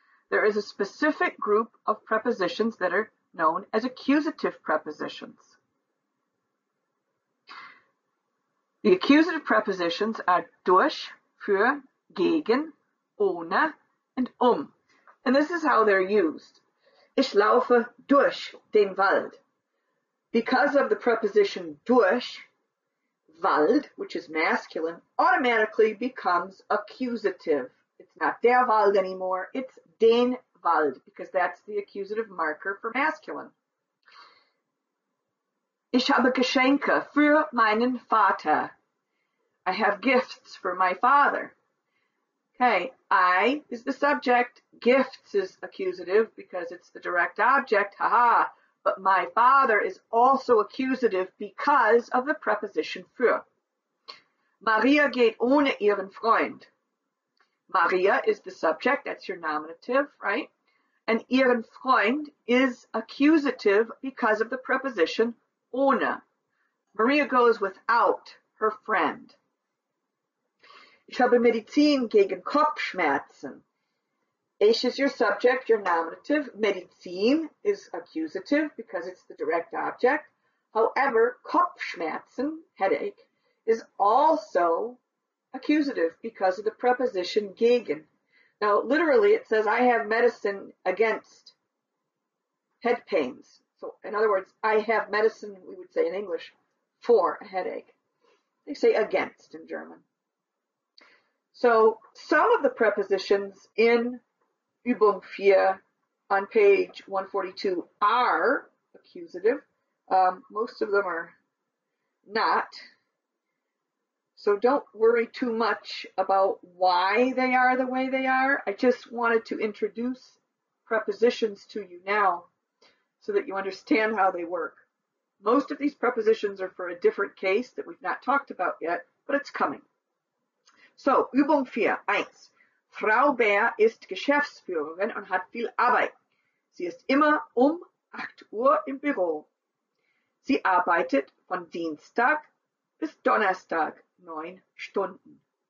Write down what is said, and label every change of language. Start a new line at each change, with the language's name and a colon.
English: There is a specific group of prepositions that are known as accusative prepositions. The accusative prepositions are durch, für, gegen, ohne, and um. And this is how they're used.
German: Ich laufe durch den Wald.
English: Because of the preposition durch, Wald, which is masculine, automatically becomes accusative. It's not der Wald anymore, it's den Wald, because that's the accusative marker for masculine.
German: Ich habe Geschenke für meinen Vater.
English: I have gifts for my father. Okay, I is the subject. Gifts is accusative because it's the direct object. Haha. But my father is also accusative because of the preposition für.
German: Maria geht ohne ihren Freund.
English: Maria is the subject. That's your nominative, right? And
German: ihren Freund
English: is accusative because of the preposition ohne. Maria goes without her friend.
German: Ich habe Medizin gegen Kopfschmerzen.
English: Ich is your subject, your nominative. Medizin is accusative because it's the direct object. However, Kopfschmerzen, headache, is also accusative because of the preposition gegen. Now, literally, it says, I have medicine against head pains. So, in other words, I have medicine, we would say in English, for a headache. They say against in German. So some of the prepositions in Übung 4 on page 142 are accusative. Most of them are not. So don't worry too much about why they are the way they are. I just wanted to introduce prepositions to you now so that you understand how they work. Most of these prepositions are for a different case that we've not talked about yet, but it's coming. So, Übung 4, 1.
German: Frau Bär ist Geschäftsführerin und hat viel Arbeit. Sie ist immer um 8 Uhr im Büro. Sie arbeitet von Dienstag bis Donnerstag 9 Stunden.